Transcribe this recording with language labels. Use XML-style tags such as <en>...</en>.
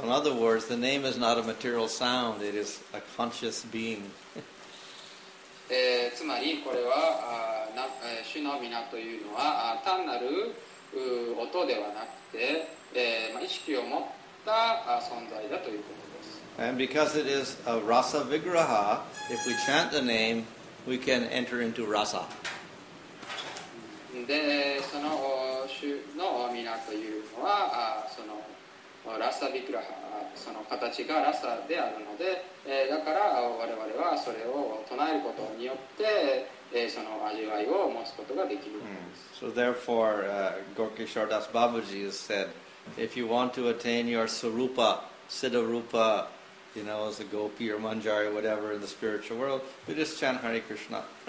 <en>So in other words, the name is not a material sound, it is a conscious being.</en> <ja>つまりこれは、主の皆というのは単なる音ではなくて、意識を持った存在だということです。</ja> <en>And because it is a rasa vigraha, if we chant the name, we can enter into rasa.</en> <ja>で、その主の皆というのは、そのラサビクラハ、その形がラサであるので、だから我々はそれを唱えることによって、その味わいを持つことができるんです。 Mm.</ja> <en>So therefore, Gorkeshwar Das Babaji has said, if you want to attain your sarupa, siddha rupa, you know, as a gopi or manjari, whatever in the spiritual world, you just chant Hare Krishna.</en>